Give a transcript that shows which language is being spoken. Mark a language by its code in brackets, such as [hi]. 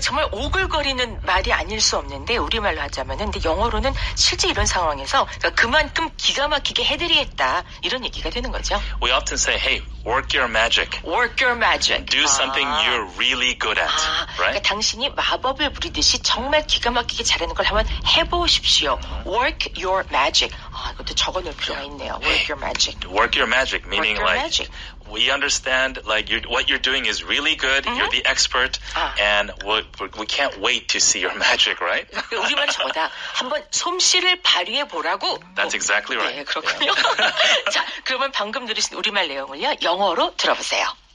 [ko] 정말 오글거리는 말이 아닐 수 없는데 우리말로 하자면 근데 영어로는 실제 이런 상황에서 그만큼 기가 막히게 해드리겠다 이런 얘기가 되는 거죠. [en] We often say, hey, work your magic. Work your magic. Do something you're really good at. 아, right? [ko] 그러니까 당신이 마법을 부리듯이 정말 기가 막히게 잘하는 걸 한번 해보십시오. [en] Work your magic. [ko] 아, 이것도 적어놓을 필요가 있네요. [en] Work your magic. Work your magic, meaning work your like... magic. We understand like what you're doing is really good. Mm-hmm. You're the expert, and we can't wait to see your magic, right? [ko] 우리만 저보다 한번 솜씨를 발휘해 보라고. [en] That's exactly right. [ko] 네, 그렇군요. Yeah. 자, 그러면 방금 들으신 우리말 내용을요 영어로 들어보세요.